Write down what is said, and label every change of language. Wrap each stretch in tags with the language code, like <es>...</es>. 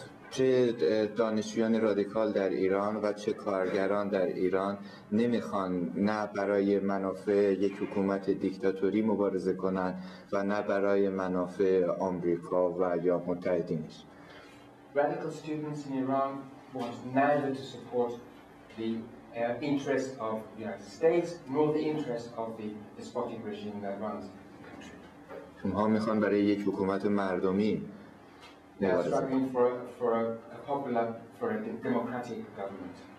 <fa>چه دانشجویان رادیکال در ایران و چه کارگران در ایران نمیخوان نه برای منافع یک حکومت دیکتاتوری مبارزه کنند و نه برای منافع آمریکا و یا متحدینش.</fa> <en>Radical students in Iran want neither to support the interest of the United States nor the interest of the despotic regime that runs the country.</en> <fa>اونها میخوان برای یک حکومت مردمی</fa> <en>They are struggling for a popular, for a democratic government.</en>